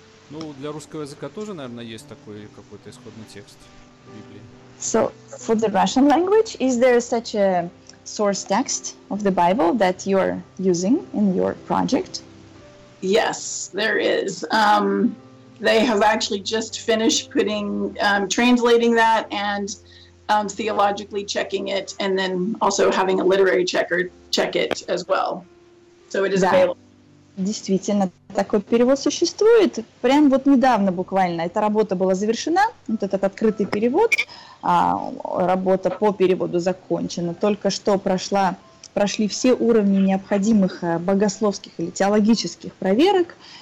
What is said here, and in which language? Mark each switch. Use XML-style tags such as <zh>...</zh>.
<ru>Ну, для русского языка тоже, наверное, есть такой какой-то исходный текст в Библии.</ru> <en>So, for the Russian language, is there such a source text of the Bible that you're using in your project? Yes, there is. They have actually just finished putting, translating that and theologically checking it, and then also having a literary checker check it as well. So it is</en> <ru>да,</ru> <en>available.</en> <ru>Действительно, такой перевод существует. Прям вот недавно буквально эта работа была завершена, вот этот открытый перевод. Работа по переводу закончена. Только что прошли все уровни необходимых богословских или теологических проверок.</ru>